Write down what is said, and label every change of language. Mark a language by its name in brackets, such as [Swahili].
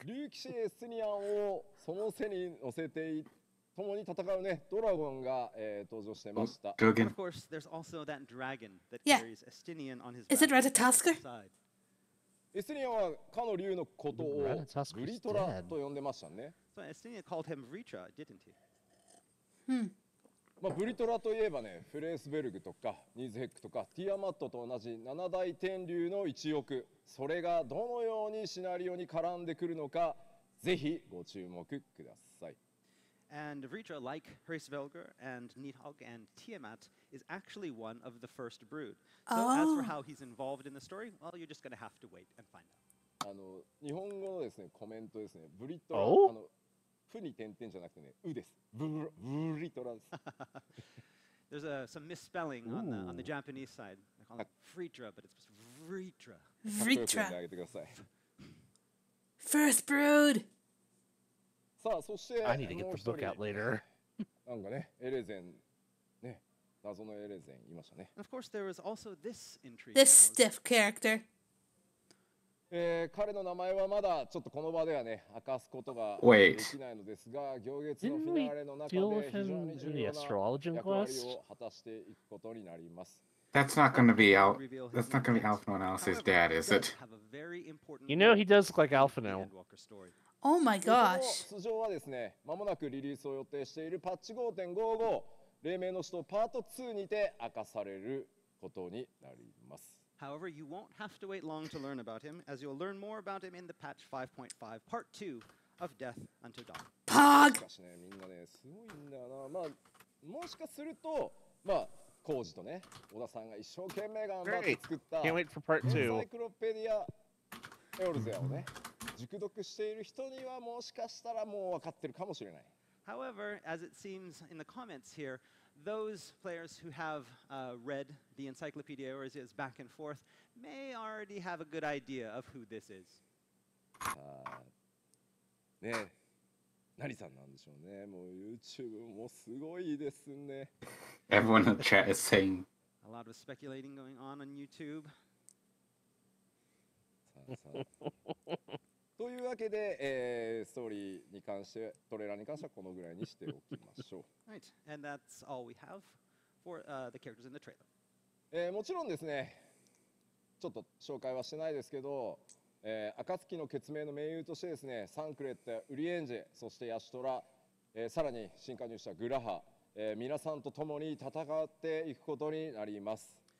[Japanese] 竜騎士エスニアンをその背に乗せて共に戦うねドラゴンが登場してました。ドラゴン。 [English] Of course, there's also that dragon that carries Estinian on his back. Is it Ratatasker? [Japanese] エスニアンはかの竜のことをブリトラと呼んでましたね。 [English] So Estinian called him Vritra, didn't he? [Japanese] まあブリトラといえばね、フレースベルグとかニーズヘックとかティアマットと同じ七大天竜の一翼。それがどのようにシナリオに絡んでくるのか、ぜひご注目ください。 [English] And Vritra, like Hrisvelgr and Nidhogg and Tiamat, is actually one of the first brood. So as for how he's involved in the story, well, you're just going to have to wait and find out. [Japanese] あの日本語のですね、コメントですね。ブリトラ、あの、フに点々じゃなくてね、ウです。ブリトラです。 [English] There's some misspelling on the Japanese side. They call it Vritra, but it's Vritra. Vritra. [Japanese] かっこよくてあげてください。 [English] First brood! [Japanese] さあ、そして、 [English] I need to get the book out later. [Japanese] なんかね、エレゼン、ね、謎のエレゼンいましたね。 [English] Of course, there was also this intrigue. This stiff character. [Japanese] 彼の名前はまだちょっとこの場ではね、明かすことができないのですが、行月のフィナーレの中で非常に重要な [English] astrologian quest [Japanese] を果たしていくことになります。 [English] That's not going to be Al. That's not going to be Alpha No Else's dad, is it? You know, he does look like Alpha No. Oh my gosh! [Japanese] 通常はですね、まもなくリリースを予定しているパッチ 5.55、黎明の使徒パート2にて明かされることになります。 [English] However, you won't have to wait long to learn about him, as you'll learn more about him in the patch 5.5 part 2 of death unto dawn. Pog! Great. Can't wait for part two. [Japanese] エオルゼアをね、熟読している人にはもしかしたらもう分かってるかもしれない。 [English] However, as it seems in the comments here, those players who have read the Encyclopedia Eorzea's back and forth may already have a good idea of who this is. [Japanese] ね、ナリさんなんでしょうね。もう YouTube もすごいですね。 [English] Everyone in chat is saying. A lot of speculating going on YouTube. [Japanese] というわけで、ストーリーに関してトレーラーに関してはこのぐらいにしておきましょう。 [English] Right, and that's all we have for the characters in the trailer. [Japanese] もちろんですね、ちょっと紹介はしてないですけど、暁の決命の盟友としてですね、サンクレット、ウリエンジェ、そしてヤシトラ、さらに新加入したグラハ、皆さんと共に戦っていくことになります。